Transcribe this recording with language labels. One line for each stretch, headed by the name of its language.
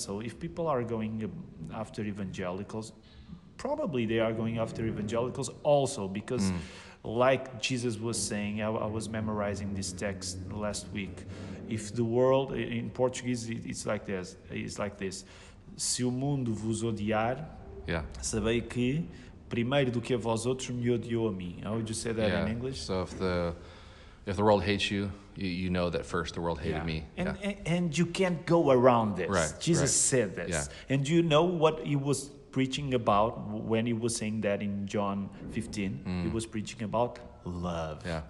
English: So if people are going after evangelicals, probably they are going after evangelicals also, because... Mm. Like Jesus was saying, I was memorizing this text last week. If the world, in Portuguese, it's like this.
Portuguese: Se o mundo vos odiar, sabei que primeiro do que a vós outros me odiou a mim.
English: How would you say that in English? So if the world hates you, you know that first the world hated me. And you can't go around this. Right, Jesus right. said this. Yeah. And do you know what he was preaching about when he was saying that in John 15, he was preaching about love.